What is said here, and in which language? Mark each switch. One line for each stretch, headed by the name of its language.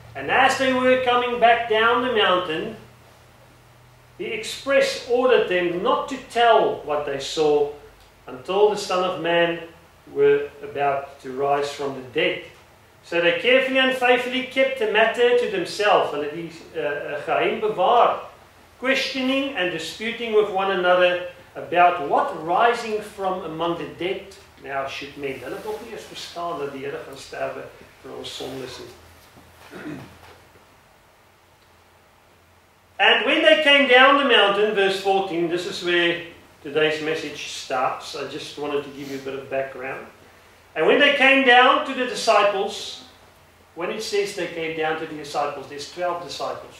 English: And as they were coming back down the mountain, the express ordered them not to tell what they saw until the Son of Man were about to rise from the dead. So they carefully and faithfully kept the matter to themselves. And it is
Afrikaans: geheim bewaard.
English: Questioning and disputing with one another about what rising from among the dead now should mean.
Afrikaans: Hulle het nog nie eens verstaan dat die Here gaan sterwe vir ons sondes nie.
English: And when they came down the mountain, verse 14, this is where today's message starts. I just wanted to give you a bit of background. And when they came down to the disciples, when it says they came down to the disciples, there's 12 disciples.